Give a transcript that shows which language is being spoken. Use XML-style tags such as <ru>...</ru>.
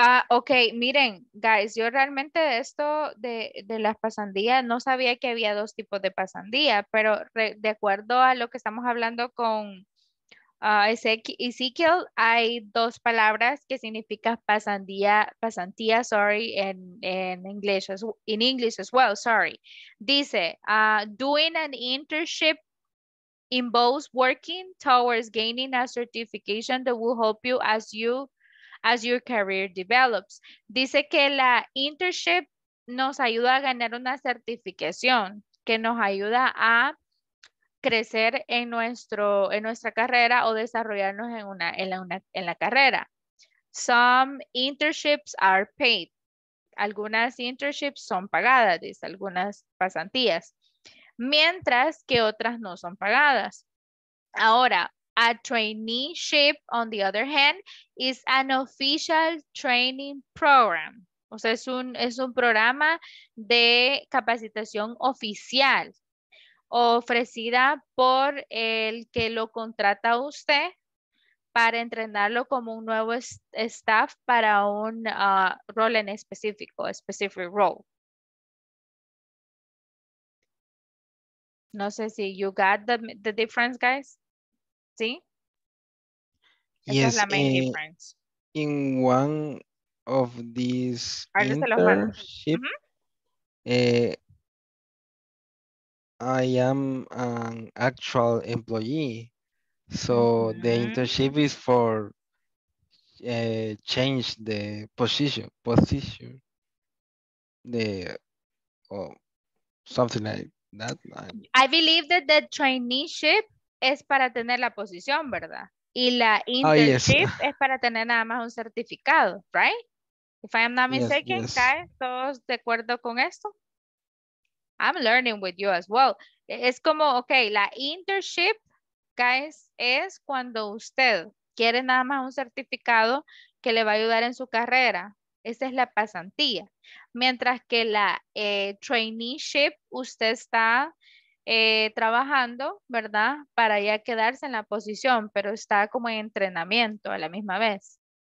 <es>Okay, miren, guys, yo realmente esto de las pasantías, no sabía que había dos tipos de pasantía, pero de acuerdo a lo que estamos hablando con Ezequiel, hay dos palabras que significan pasantía,</es> <en>in English as well. Dice, doing an internship involves working towards gaining a certification that will help you as your career develops.</en> <es>Dice que la internship nos ayuda a ganar una certificación, que nos ayuda a crecer en nuestra carrera o desarrollarnos en la carrera.</es> <en>Some internships are paid.</en> <es>Algunas internships son pagadas, dice, algunas pasantías. Mientras que otras no son pagadas.</es> <en>Ahora, a traineeship, on the other hand, is an official training program.</en> <es>O sea, es un programa de capacitación oficial ofrecida por el que lo contrata a usted para entrenarlo como un nuevo staff para un rol en específico,</es> <en>specific role.</en> <es>No sé si</es> <en>you got the difference, guys.</en> <es>¿Sí?</es> <en>Yes,</en> <es>es la</es> <en>main difference. In one of these internships, I am an actual employee, so the internship is for change the position, something like that. I believe that the</en> <es>traineeship es para tener la posición, ¿verdad? Y la internship es para tener nada más un certificado, right?</es> <en>If I am not mistaken, guys,</en> <es>¿todos de acuerdo con esto?</es> <en>I'm learning with you as well.</en> <es>Es como,</es> <en>okay, la internship</en> <es>BECAS es cuando usted quiere nada más un certificado que le va a ayudar en su carrera. Esa es la pasantía. Mientras que la traineeship, usted está trabajando, ¿verdad? Para ya quedarse en la posición, pero está como en entrenamiento a la misma vez.</es>